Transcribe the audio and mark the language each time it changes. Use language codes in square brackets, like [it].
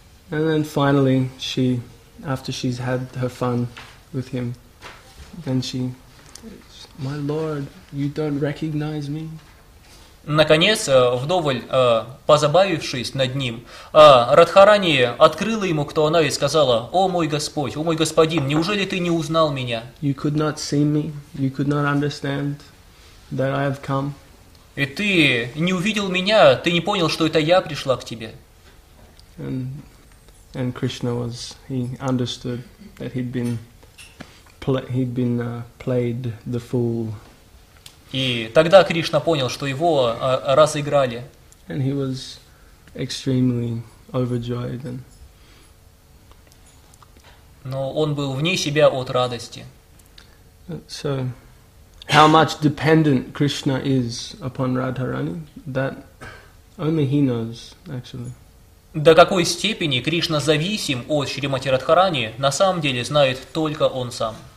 [en] And then finally, she, after she's had her fun with him, then she, my lord, you don't recognize me? [ru] Наконец, вдоволь позабавившись над ним, Радхарани открыла ему, кто она, и сказала, «О мой Господь, о мой Господин, неужели ты не узнал меня?» [en] You could not see me, you could not understand that I have come. [ru] И ты не увидел меня, ты не понял, что это я пришла к тебе. [en] And Krishna was, he understood that he'd been played the fool. [ru] И тогда Кришна понял, что его разыграли. [en] And he was extremely overjoyed and... [ru] Но он был вне себя от радости. [en] So, how much dependent Krishna is upon Radharani, that only he knows, actually. [ru] До какой степени Кришна зависим от Шримати Радхарани, на самом деле знает только он сам.